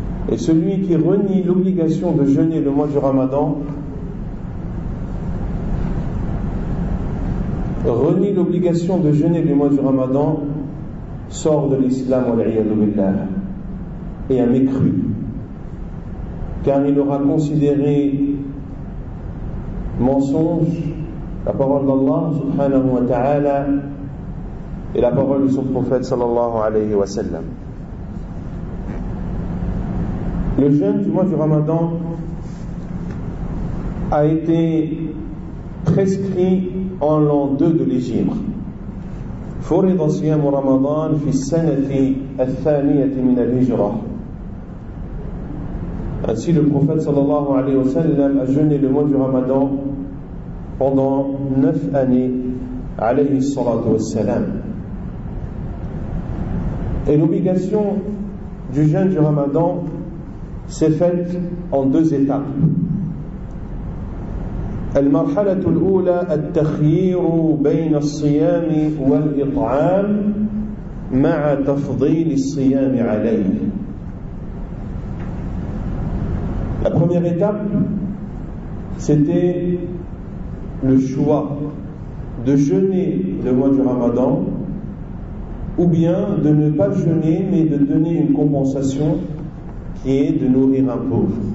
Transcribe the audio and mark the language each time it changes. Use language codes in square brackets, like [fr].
[fr] Et celui qui renie l'obligation de jeûner le mois du ramadan renie l'obligation de jeûner le mois du ramadan sort de l'islam [ar] wal'iyadu billah, [fr] et a mécru, car il aura considéré mensonge la parole d'Allah subhanahu wa ta'ala et la parole de son prophète sallallahu alayhi wa sallam. Le jeûne du mois du ramadan a été prescrit en l'an 2 de l'Hégire. [ar] فرض صيام رمضان في السنة الثانية من الهجرة. [fr] Ainsi le prophète sallallahu alayhi wa sallam a jeûné le mois du ramadan pendant 9 années alayhi salatu wa salam. Et l'obligation du jeûne du ramadan s'est faite en deux étapes. [ar] المرحلة الأولى التخيير بين الصيام والإطعام مع تفضيل الصيام عليه. [fr] La première étape, c'était le choix de jeûner le mois du Ramadan ou bien de ne pas jeûner mais de donner une compensation qui est de nourrir un pauvre.